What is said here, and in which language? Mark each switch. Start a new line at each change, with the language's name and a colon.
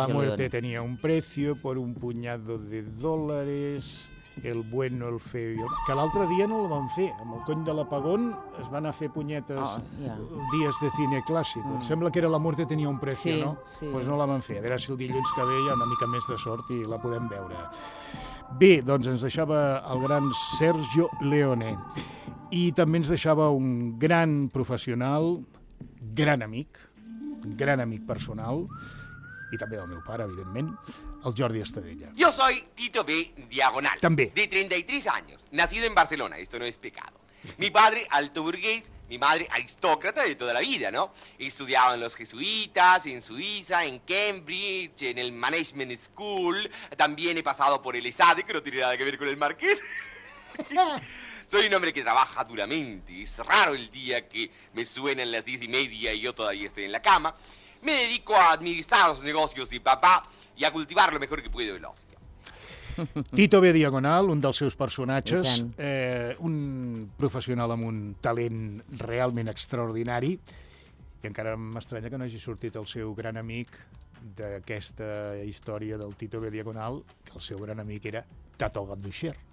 Spanish: Leone? La muerte tenía un precio por un puñado de dólares, el bueno, el feo y el...
Catalan: Que l'altre dia no el van fer. Amb el cony de l'apagón es van a fer punyetes dies de cine clàssic. Mm. Sembla que era La muerte tenía un precio, sí, no? Sí. Pues no la van fer. A veure si el dilluns que ve hi ha una mica més de sort i la podem veure. Bé, doncs ens deixava el gran Sergio Leone. I també ens deixava un gran professional, gran amic personal, i també del meu pare, evidentment, el Jordi Estadella.
Spanish: Yo soy Tito B. Diagonal.
Catalan: També.
Spanish: De 33 años, nacido en Barcelona, esto no es pecado. Mi padre, alto burgués, mi madre, aristócrata de toda la vida, ¿no? Estudiaban los jesuitas en Suiza, en Cambridge, en el Management School, también he pasado por el ESADE, que no tiene nada que ver con el marqués. Soy un hombre que trabaja duramente. Es raro el día que me suenan las 10:30 y yo todavía estoy en la cama. Me dedico a administrar los negocios de papá y a cultivar lo mejor que puedo el ocio.
Catalan: Tito B. Diagonal, un dels seus personatges, un professional amb un talent realment extraordinari, i encara m'estranya que no hagi sortit el seu gran amic d'aquesta història del Tito B. Diagonal, que el seu gran amic era Tato Ganducher.